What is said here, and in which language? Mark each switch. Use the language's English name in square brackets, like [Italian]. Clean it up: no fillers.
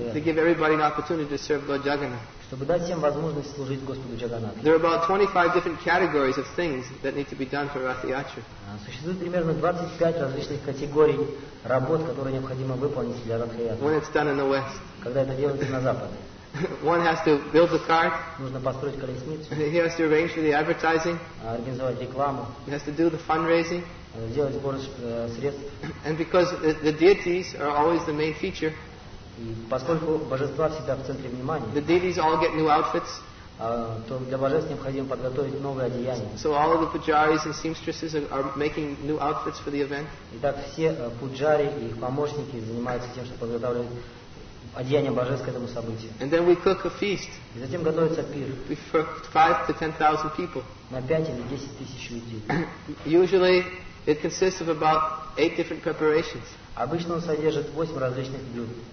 [English] to give everybody an opportunity to serve Lord Jagannath. [Russian] Чтобы дать всем возможность служить Господу Джаганату. [English] There are about 25 different categories of things that need to be done for Radha Yatra. [Russian] Существует примерно 25 различных категорий работ, которые необходимо выполнить для Радха Ятры. [English] When it's done in the West. [Russian] Когда это делается на Западе. [English] One has to build the cart. [Russian] Нужно построить колесницу. [English] He has to arrange for the advertising. [Russian] Организовать рекламу. [English] He has to do the fundraising. [Russian] Сделать сбор средств. [English] And because the deities are always the main feature. [Russian] И поскольку божества всегда в центре внимания. [English] The deities all get new outfits. [Russian] То для божеств необходимо подготовить новые одеяния. [English] So all of the pujaris and seamstresses are making new outfits for the event. [Russian] Итак, все пуджари и их помощники занимаются тем, что подготавливают одеяние божеств к этому событию. [English] And then we cook a feast. [Russian] И затем готовится пир. [English] For 5 to 10,000 people. [Russian] На 5 или 10 тысяч людей. [English] Usually it consists of about 8 different preparations. [Russian] Обычно он содержит 8 различных блюд.